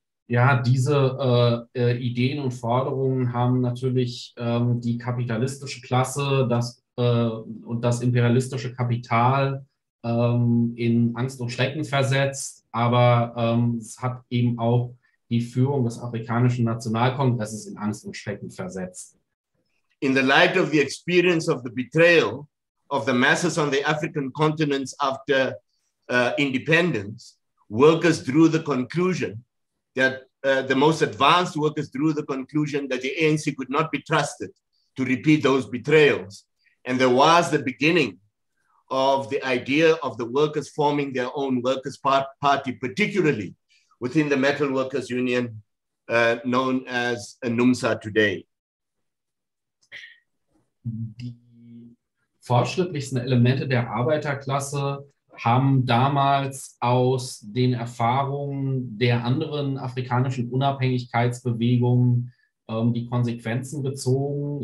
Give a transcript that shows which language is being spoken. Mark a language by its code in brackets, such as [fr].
[de] Ja, diese Ideen und Forderungen haben natürlich die kapitalistische Klasse und das imperialistische Kapital in Angst und Schrecken versetzt, aber es hat eben auch die Führung des afrikanischen Nationalkongresses in Angst und Schrecken versetzt. [en] In the light of the experience of the betrayal of the masses on the African continents after independence, workers drew the conclusion that the most advanced workers drew the conclusion that the ANC could not be trusted to repeat those betrayals. And there was the beginning of the idea of the workers forming their own workers' party, particularly within the Metal Workers Union, known as NUMSA today. [de] Die fortschrittlichsten Elemente der Arbeiterklasse haben damals aus den Erfahrungen der anderen afrikanischen Unabhängigkeitsbewegungen die Konsequenzen gezogen.